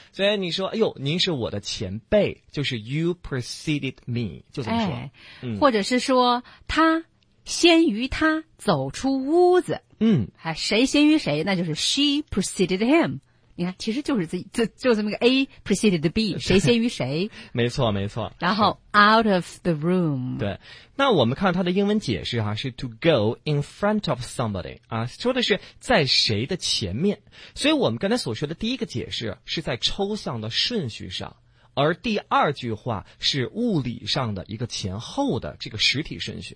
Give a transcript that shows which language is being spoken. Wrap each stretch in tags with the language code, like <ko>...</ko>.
<zh>所以你说，哎呦，您是我的前辈，就是</zh> <en>you preceded me，</en> <zh>就这么说。哎，或者是说他先于他走出屋子。嗯，啊，谁先于谁，那就是</zh> <en>she preceded him。</en> <zh>你看，其实就是这么个</zh> <en>A preceded B，</en> <zh>谁先于谁？没错，没错。然后</zh> <en>out of the room。</en> <zh>对，那我们看它的英文解释哈，是</zh> <en>to go in front of somebody</en> <zh>啊，说的是在谁的前面。所以我们刚才所说的第一个解释是在抽象的顺序上，而第二句话是物理上的一个前后的这个实体顺序</zh>